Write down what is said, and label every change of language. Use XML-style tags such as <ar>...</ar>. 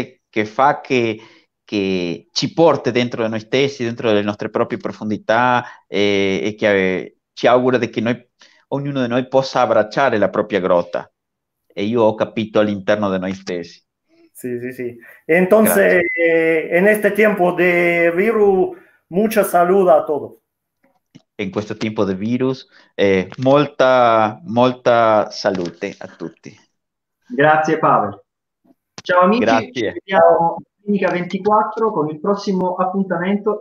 <it>che ci porta dentro di noi stessi, dentro delle nostre proprie profondità, e che ci augura che noi, ognuno di noi possa abbracciare la propria grotta. E io ho capito all'interno di noi stessi. Sì, sì, sì.</it> <es>Entonces, en este tiempo de virus, mucha salud a todos.</es> <it>In questo tempo di virus, molta, molta salute a tutti. Grazie, Pavel. Ciao amici, grazie. Ci vediamo domenica 24 con il prossimo appuntamento.</it>